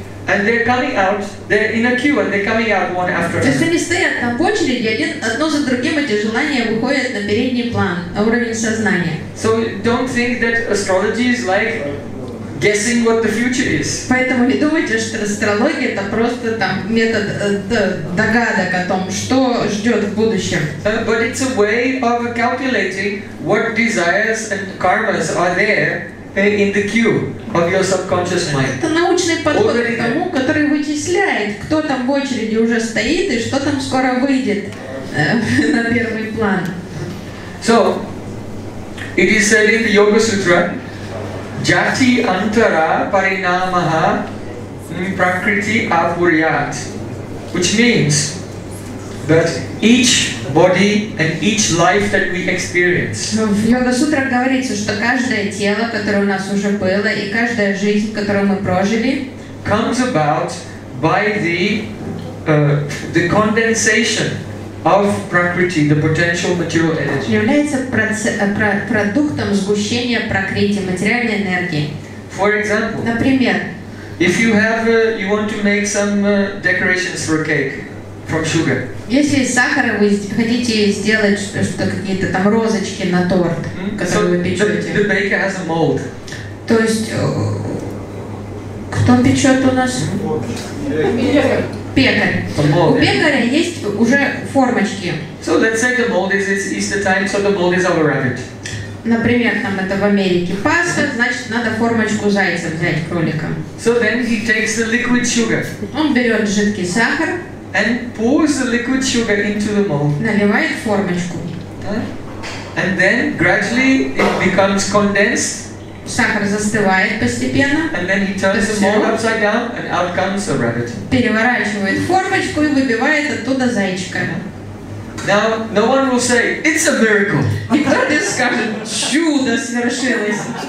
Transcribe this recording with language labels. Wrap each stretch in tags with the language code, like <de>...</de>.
<en>And they're coming out, they're in a queue and they're coming out one after another.</en> <ru>То есть они стоят там в очереди, одно за другим эти желания выходят на передний план, на уровень сознания.</ru> <en>So don't think that astrology is like guessing what the future is.</en> <ru>Поэтому не думайте, что астрология это просто там метод догадок о том, что ждет в будущем.</ru> <en>But it's a way of calculating what desires and karmas are there in the queue of your subconscious mind.</en> <ru>Это научный подход к тому, который вычисляет, кто там в очереди уже стоит и что там скоро выйдет на первый план.</ru> <en>So, it is said in the Yoga Sutra,</en> <sa>Jati Antara Parinamaha Prakriti Apuryat,</sa> <en>which means that each body and each life that we experience.</en> <ru>В Йога Сутра говорится, что каждое тело, которое у нас уже было, и каждая жизнь, которую мы прожили,</ru> <en>comes about by the condensation of prakriti, the potential material energy.</en> <ru>Является продуктом сгущения пракрити, материальной энергии.</ru> <en>For example,</en> <ru>например,</ru> <en>if you have you want to make some decorations for a cake. From sugar.</en> <ru>Если из сахара вы хотите сделать что-то, какие-то там розочки на торт, который</ru> <en>so</en> <ru>вы печете.</ru> <en>The baker has a mold.</en> <ru>То есть кто печет у нас? Пекарь. У пекаря есть уже формочки.</ru> <en>So let's say the mold is it's Easter time, so the mold is all around it.</en> <ru>Например, там это в Америке Пасха, значит, надо формочку зайца взять кроликом.</ru> <en>So then he takes the liquid sugar.</en> <ru>Он берет жидкий сахар.</ru> <en>And pours the liquid sugar into the mold.</en> <ru>Наливает формочку.</ru> <en>And then gradually it becomes condensed.</en> <ru>Сахар застывает постепенно.</ru> <en>And then he turns the mold upside down, and out comes a rabbit.</en> <ru>Переворачивает формочку и выбивает оттуда зайчика.</ru> <en>Now no one will say it's a miracle.</en> <ru>Никто не скажет, чудо свершилось.</ru>